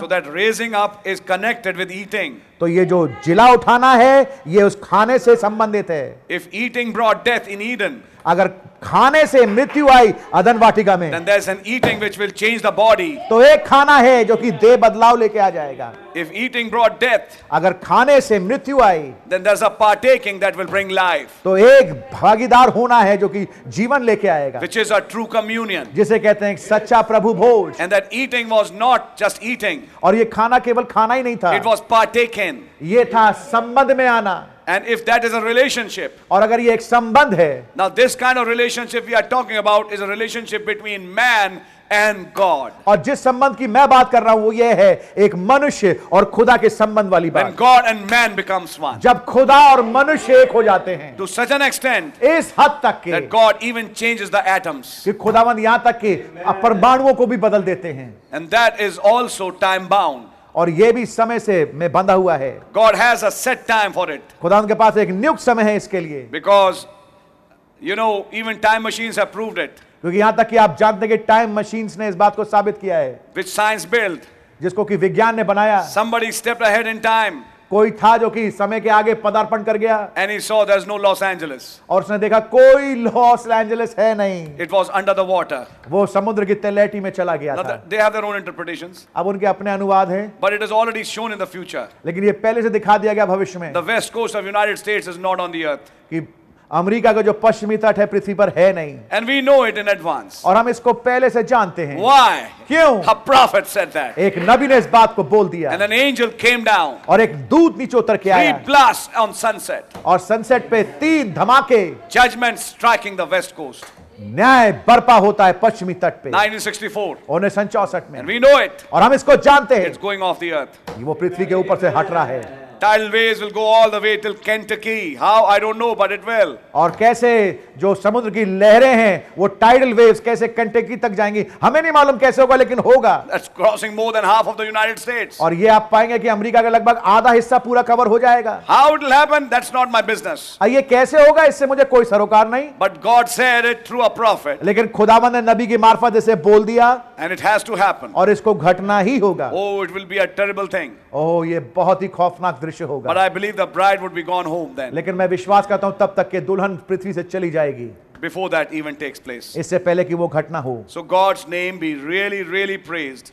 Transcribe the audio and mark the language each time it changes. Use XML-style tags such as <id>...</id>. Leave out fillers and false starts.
<en>So that raising up is connected with eating.</en> <hi>तो ये जो जिला उठाना है ये उस खाने से संबंधित है.</hi> <en>If eating brought death in Eden.</en> <hi>अगर खाने से मृत्यु आई अदन वाटिका में.</hi> <en>Then there's an eating which will change the body.</en> <hi>तो एक खाना है जो कि देह बदलाव लेके आ जाएगा.</hi> <en>If eating brought death.</en> <hi>अगर खाने से मृत्यु आई.</hi> <en>Then there's a partaking that will bring life.</en> <hi>तो एक भागीदार होना है जो कि जीवन लेके आएगा.</hi> <en>Which is a true communion.</en> <hi>जिसे कहते हैं सच्चा प्रभु भोज.</hi> <en>And that eating was not just eating.</en> <hi>और ये खाना केवल खाना ही नहीं था.</hi> <en>It was partaking.</en> <hi>ये था संबंध में आना.</hi> <en>And if that is a relationship,</en> <hi>और अगर ये एक संबंध है,</hi> <en>now this kind of relationship we are talking about is a relationship between man and God.</en> <hi>और जिस संबंध की मैं बात कर रहा हूँ वो ये है, एक मनुष्य और खुदा के संबंध वाली बात.</hi> <en>When God and man becomes one.</en> <hi>जब खुदा और मनुष्य एक हो जाते हैं.</hi> <en>To such an extent.</en> <hi>इस हद तक के.</hi> <en>That God even changes the atoms.</en> <hi>कि खुदावंद यहाँ तक के परमाणुओं को भी बदल देते हैं.</hi> <en>And that is also time bound.</en> <hi>और ये भी समय से में बंधा हुआ है.</hi> <en>God has a set time for it.</en> <hi>खुदा के पास एक नियुक्त समय है इसके लिए.</hi> <en>Because you know even time machines have proved it.</en> <hi>क्योंकि यहां तक कि आप जानते हैं कि टाइम मशीन्स ने इस बात को साबित किया है.</hi> <en>Which science built.</en> <hi>जिसको कि विज्ञान ने बनाया.</hi> <en>Somebody stepped ahead in time.</en> <hi>कोई था जो कि समय के आगे पदार्पण कर गया.</hi> <en>And he saw there's no Los Angeles.</en> <hi>और उसने देखा कोई लॉस एंजेलिस है नहीं.</hi> <en>It was under the water.</en> <hi>वो समुद्र की तलहटी में चला गया था.</hi> <en>They have their own interpretations.</en> <hi>अब उनके अपने अनुवाद हैं.</hi> <en>But it is already shown in the future.</en> <hi>लेकिन ये पहले से दिखा दिया गया भविष्य में.</hi> <en>The west coast of United States is not on the earth.</en> <hi>कि अमेरिका का जो पश्चिमी तट है पृथ्वी पर है नहीं.</hi> <en>And we know it in advance.</en> <hi>और हम इसको पहले से जानते हैं.</hi> <en>Why?</en> <hi>क्यों?</hi> <en>A prophet said that.</en> <hi>एक नबी ने इस बात को बोल दिया.</hi> <en>And an angel came down.</en> <hi>और एक दूत नीचे उतर के आया.</hi> <en>Three blasts on sunset.</en> <hi>और सनसेट पे तीन धमाके.</hi> <en>Judgment striking the west coast.</en> <hi>न्याय बर्पा होता है पश्चिमी तट पे.</hi> <en>1964.</en> <hi>1964 में.</hi> <en>And we know it.</en> <hi>और हम इसको जानते हैं.</hi> <en>It's going off the earth.</en> <hi>वो पृथ्वी के ऊपर से हट रहा है.</hi> <en>Tidal waves will go all the way till Kentucky. How? I don't know, but it will.</en> <hi>और कैसे जो समुद्र की लहरें हैं वो</hi> <en>tidal waves</en> <hi>कैसे Kentucky तक जाएंगी हमें नहीं मालूम कैसे होगा लेकिन होगा.</hi> <en>That's crossing more than half of the United States.</en> <hi>और ये आप पाएंगे कि अमेरिका का लगभग आधा हिस्सा पूरा कवर हो जाएगा.</hi> <en>How it will happen? That's not my business.</en> <hi>ये कैसे होगा इससे मुझे कोई सरोकार नहीं.</hi> <en>But God said it through a prophet.</en> <hi>लेकिन खुदावंद ने नबी की मार्फत इसे बोल दिया.</hi> <en>And it has to happen.</en> <hi>और इसको घटना ही होगा.</hi> <en>Oh, it will be a terrible thing.</en> <hi>Oh, ये बहुत ही खौफनाक दृश्य होगा.</hi> <en>But I believe the bride would be gone home then.</en> <hi>लेकिन मैं विश्वास करता हूँ तब तक के दुल्हन पृथ्वी से चली जाएगी.</hi> <en>Before that even takes place.</en> <hi>इससे पहले कि वो घटना हो.</hi> <en>So God's name be really, really praised.</en>